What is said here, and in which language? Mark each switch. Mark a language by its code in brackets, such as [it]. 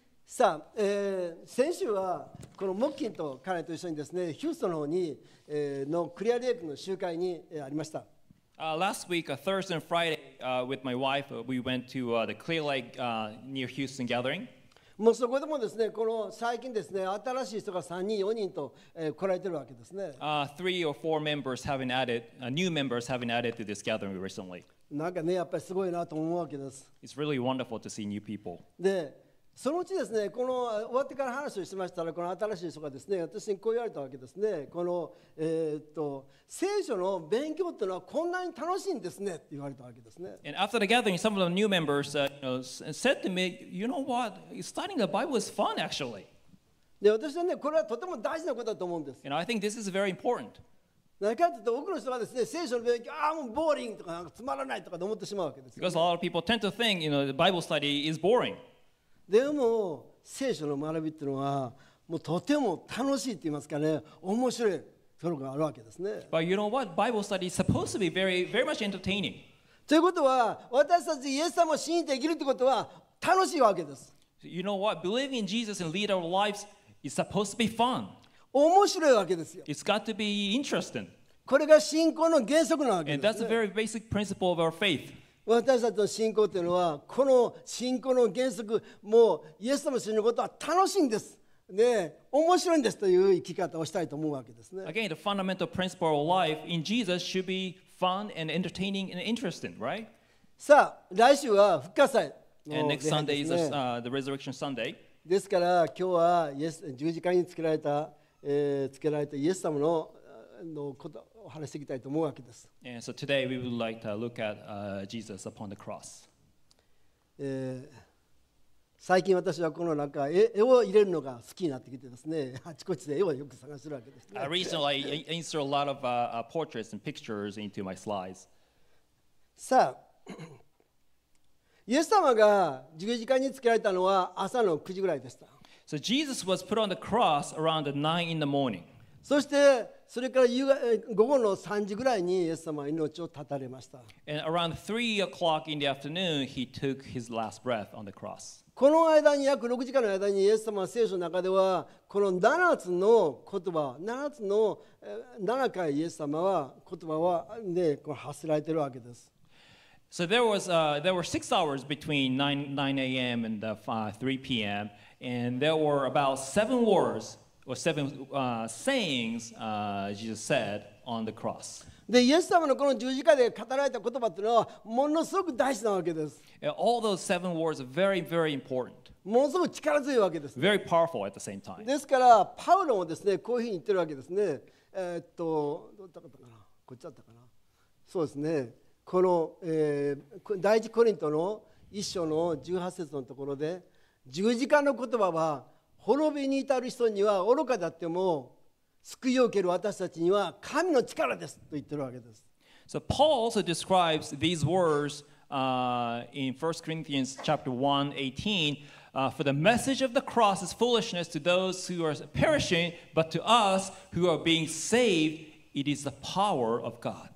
[ja] さあ、先週はこのモッキンと彼と一緒にですね、ヒューストンの方に、のクリアレイクの集会に、ありました。 [en] Last week, Thursday and Friday, with my wife, we went to the Clear Lake near Houston gathering. [ja] もうそこでもですね、この最近ですね、新しい人が3人、4人と、来られてるわけですね。 [en] Three or four members have been added, new members have been added to this gathering recently. [ja] なんかね、やっぱりすごいなと思うわけです。 [en] It's really wonderful to see new people. [ja] で、そのうちですね、この終わってから話をしましたら、この新しい人がですね、私にこう言われたわけですね。この、聖書の勉強というのはこんなに楽しいんですねって言われたわけですね。 [en] And after the gathering, some of the new members said to me, you know what, studying the Bible is fun actually. [ja] で、私はね、これはとても大事なことだと思うんです。 [en] And I think this is very important. [ja] 何かというと多くの人がですね、聖書の勉強、ああもうボーリングとか、なんかつまらないとか思ってしまうわけです、ね。 [en] Because a lot of people tend to think, you know, the Bible study is boring. [ja] でも聖書の学びっていうのはもうとても楽しいって言いますかね、面白いところがあるわけですね。 [en] But you know what? Bible study is supposed to be very, very much entertaining. [ja] ということは私たちイエス様を信じて生きるということは楽しいわけです。 [en] You know what? Believing in Jesus and lead our lives is supposed to be fun. [ja] 面白いわけですよ。 [en] It's got to be interesting. [ja] これが信仰の原則なわけです、ね。 [en] And that's a very basic principle of our faith. [ja] 私たちの信仰というのはこの信仰の原則もうイエス様を信じることは楽しいんです、ね、面白いんですという生き方をしたいと思うわけですね。 [en] Again, the fundamental principle of life in Jesus should be fun and entertaining and interesting, right? [ja] さあ、来週は復活祭、 [en] ね、And next Sunday is the Resurrection Sunday. [ja] ですから今日はイエス十字架につけられた、イエス様の、ことお話していきたいと思うわけです。 [en] And so today we would like to look at Jesus upon the cross. [ja] 最近私はこのなんか絵を入れるのが好きになってきてですね、あちこちで絵をよく探してるわけです、ね。 [en] Recently, I insert a lot of portraits and pictures into my slides. [ja] さあ、イエス様が十字架につけられたのは朝の9時ぐらいでした。 [en] So Jesus was put on the cross around 9 in the morning. [ja] そしてそれから午後の3時ぐらいにイエス様は命を絶たれました。 [en] And around 3 o'clock in the afternoon, he took his last breath on the cross. [ja] この間に約6時間の間にイエス様は聖書の中ではこの7つの言葉、7つの7回イエス様は言葉はね、こう発せられてるわけです。 [en] So there were 6 hours between 9 a.m. and 3 p.m. and there were about 7 words. Or seven sayings Jesus said on the cross. [ja] で、イエス様のこの十字架で語られた言葉というのはものすごく大事なわけです。 [en] All those seven words are very, very important. [ja] ものすごく力強いわけです。 [en] Very powerful at the same time. [ja] ですから、パウロもですね、こういうふうに言ってるわけですね。どうだったかな、こっちだったかな。そうですね。この、第一コリントの一章の18節のところで、十字架の言葉は滅びに至る人には愚かだっても救いを受ける私たちには神の力ですと言ってるわけです。 [en] So Paul also describes these words in 1 Corinthians chapter 1:18. For the message of the cross is foolishness to those who are perishing, but to us who are being saved, it is the power of God.